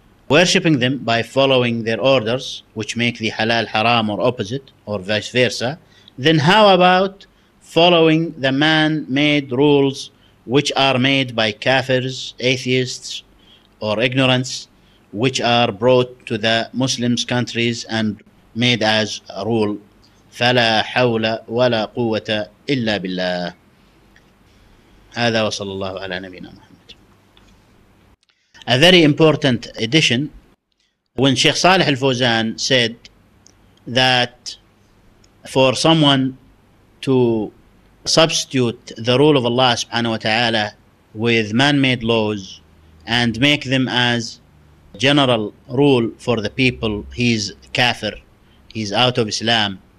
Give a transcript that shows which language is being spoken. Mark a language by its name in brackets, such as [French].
[English] worshipping them by following their orders, which make the halal haram or opposite or vice versa, then how about following the man-made rules which are made by kafirs, atheists, or ignorance, which are brought to the Muslims' countries and made as a rule? [Arabic] فَلَا حَوْلَ وَلَا قُوَّةَ إِلَّا بِاللَّهِ. هذا وصلى الله على نبينا محمد. [English] A very important addition, when Sheikh Saleh Al-Fawzan said that for someone to substitute the rule of Allah subhanahu wa ta'ala with man-made laws and make them as general rule for the people, he's kafir, he's out of Islam.